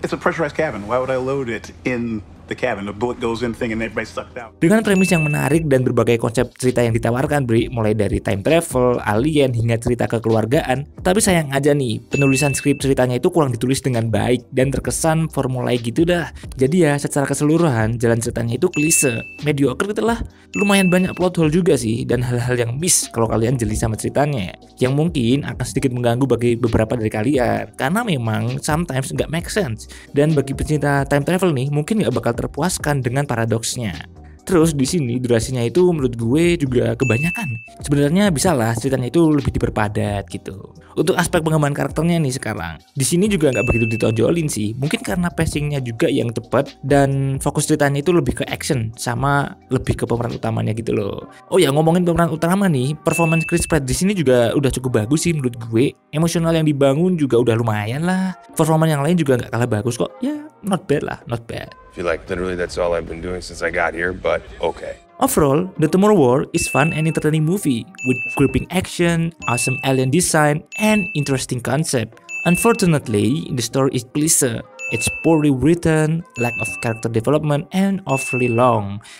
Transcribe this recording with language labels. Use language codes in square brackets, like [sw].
[en] It's a pressurized cabin. Why would I load it in the cabin? The bullet goes in thing and everybody sucked out. [id] Dengan premis yang menarik dan berbagai konsep cerita yang ditawarkan Bre, mulai dari time travel, alien hingga cerita kekeluargaan. Tapi sayang aja nih, penulisan skrip ceritanya itu kurang ditulis dengan baik dan terkesan formulai gitu dah. Jadi ya, secara keseluruhan, jalan ceritanya itu klise, mediocre gitu lah. Lumayan banyak plot hole juga sih, dan hal-hal yang miss kalau kalian jeli sama ceritanya. Yang mungkin akan sedikit mengganggu bagi beberapa dari kalian, karena memang sometimes nggak [en] make sense. [id] Dan bagi pecinta time travel nih, mungkin nggak bakal terpuaskan dengan paradoksnya. Terus di sini durasinya itu menurut gue juga kebanyakan. Sebenarnya bisa lah ceritanya itu lebih diperpadat gitu. Untuk aspek pengembangan karakternya nih sekarang, di sini juga nggak begitu ditonjolin sih. Mungkin karena pacingnya juga yang cepet dan fokus ceritanya itu lebih ke action sama lebih ke pemeran utamanya gitu loh. Oh ya, ngomongin pemeran utama nih, performance Chris Pratt di sini juga udah cukup bagus sih menurut gue. Emosional yang dibangun juga udah lumayan lah. Performa yang lain juga nggak kalah bagus kok. [en] Ya, not bad lah, not bad. I feel like literally that's all I've been doing since I got here, but okay. Overall, The Tomorrow War is fun and entertaining movie with gripping action, awesome alien design, and interesting concept. Unfortunately, the story is cliché. It's poorly written, lack of character development, and overly long.